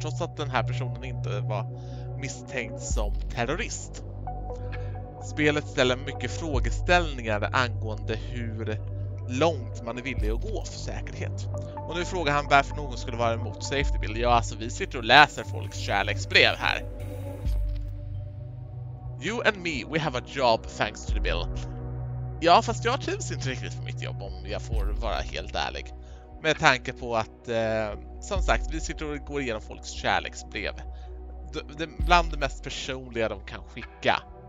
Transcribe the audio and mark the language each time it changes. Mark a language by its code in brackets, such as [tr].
[sv] Trots att den här personen inte var misstänkt som terrorist. Spelet ställer mycket frågeställningar angående hur långt man är villig att gå för säkerhet. Och nu frågar han varför någon skulle vara emot safety bill. Ja, alltså vi sitter och läser folks kärleksbrev här. [en] You and me, we have a job thanks to the bill. [sv] Ja, fast jag trivs inte riktigt på mitt jobb om jag får vara helt ärlig. Med tanke på att, som sagt, vi sitter och går igenom folks kärleksbrev. Det bland det mest personliga de kan skicka.